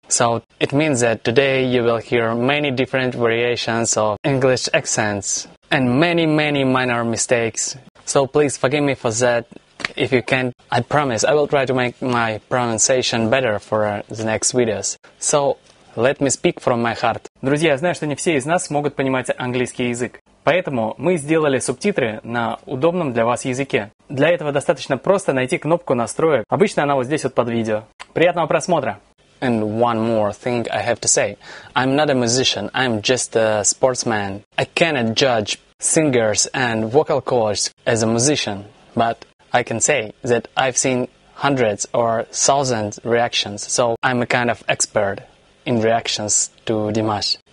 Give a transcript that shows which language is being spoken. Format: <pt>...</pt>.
<en>So it means that today you will hear many different variations of English accents and many, many minor mistakes. So please forgive me for that. If you can, I promise I will try to make my pronunciation better for the next videos. So, let me speak from my heart.</en> <ru>Друзья, я знаю, что не все из нас могут понимать английский язык. Поэтому мы сделали субтитры на удобном для вас языке. Для этого достаточно просто найти кнопку настроек. Обычно она вот здесь вот под видео. Приятного просмотра!</ru> <en>And one more thing I have to say. I'm not a musician, I'm just a sportsman. I cannot judge singers and vocal coaches as a musician, but I can say that I've seen hundreds or thousands reactions, so I'm a kind of expert in reactions to Dimash.</en>